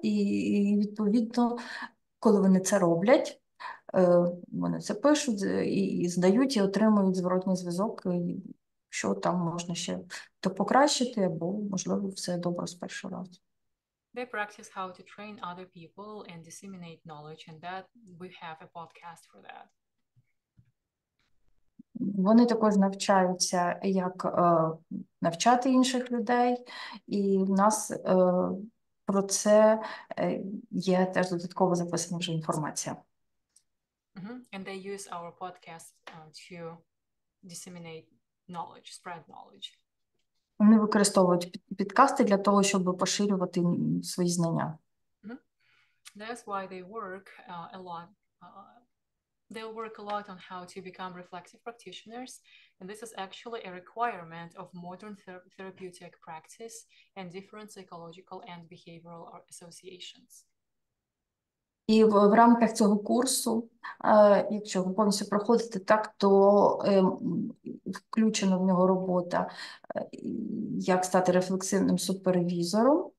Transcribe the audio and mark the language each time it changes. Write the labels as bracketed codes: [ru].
[uk] І відповідно, коли вони це роблять, вони це пишуть і здають, і отримують зворотній зв'язок, що там можна ще то покращити, або, можливо, все добре з першого разу. [en] They practice how to train other people and disseminate knowledge, and that we have a podcast for that. [uk] Вони також навчаються, як навчати інших людей, і в нас про це є теж додатково записана вже інформація. [en] And they use our podcast to disseminate knowledge, spread knowledge. [uk] Вони використовують підкасти для того, щоб поширювати свої знання. [en] That's why they work a lot. They'll work a lot on how to become reflective practitioners, and this is actually a requirement of modern therapeutic practice and different psychological and behavioral associations. [uk] І в рамках цього курсу, якщо ви повністю проходите так, то включена в нього робота, як стати рефлексивним супервізором.